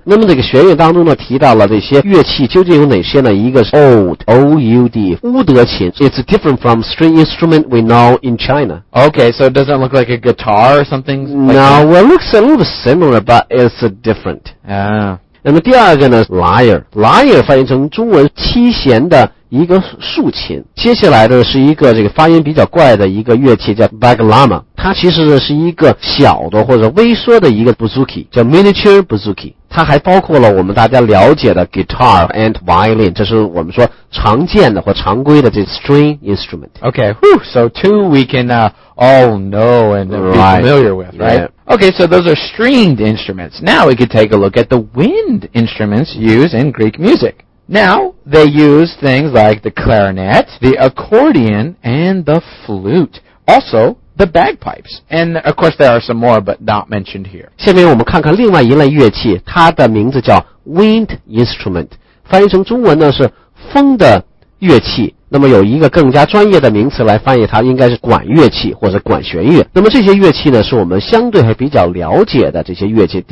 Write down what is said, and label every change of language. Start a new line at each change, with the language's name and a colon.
Chinese: 那么这个弦乐当中呢，提到了这些乐器究竟有哪些呢？一个是 oud, O-U-D, 乌德琴。
English: It's different from string instrument we know in China. Okay, so it doesn't look like a guitar or something? No, like well, it looks a little bit similar, but it's different. Yeah.
Chinese: 那么第二个呢 lyre, lyre 翻译成中文七弦的一个竖琴。接下来的是一个这个发音比较怪的一个乐器叫 baglama, 它其实是一个小的或者微缩的一个 bouzouki, 叫
English: miniature bouzouki,
Chinese: 它还包括了我们大家了解的
English: guitar and violin,
Chinese: 这是我们说常见的或常规的这
English: string instrument. Okay, whew, so two we can all know and be familiar with, right? Okay, so those are stringed instruments. Now we could take a look at the wind instruments used in Greek music. Now, they use things like the clarinet, the accordion, and the flute. Also, the bagpipes. And, of course, there are some more, but not mentioned here.
Chinese: 下面我们看看另外一类乐器，它的名字叫
English: wind instrument.
Chinese: 翻译成中文呢，是风的乐器。那么有一个更加专业的名词来翻译它，应该是管乐器或者管弦乐。那么这些乐器呢，是我们相对还比较了解的这些乐器。